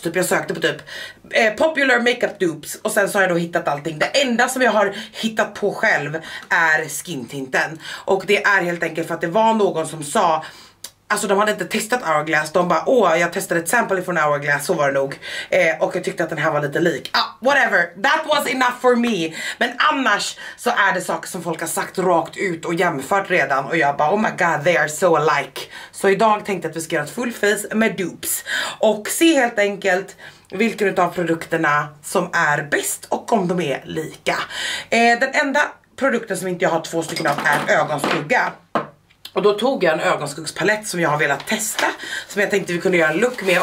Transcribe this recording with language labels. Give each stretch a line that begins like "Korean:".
Swedish: Typ jag sökte på typ
English: popular makeup dupes,
Swedish: och sen så har jag då hittat allting. Det enda som jag har hittat på själv är skintinten. Och det är helt enkelt för att det var någon som sa, alltså de hade inte testat Hourglass, de bara, åh jag testade ett sample från Hourglass, så var det nog. Och jag tyckte att den här var lite lik.
English: Ah, whatever, that was enough for me.
Swedish: Men annars så är det saker som folk har sagt rakt ut och jämfört redan. Och jag bara,
English: oh my god, they are so alike.
Swedish: Så idag tänkte jag att vi ska göra ett full face med dupes. Och se helt enkelt vilken av produkterna som är bäst och om de är lika. Den enda produkten som inte jag har två stycken av är ögonskugga. Och då tog jag en ögonskuggspalett som jag har velat testa, som jag tänkte vi kunde göra en look med.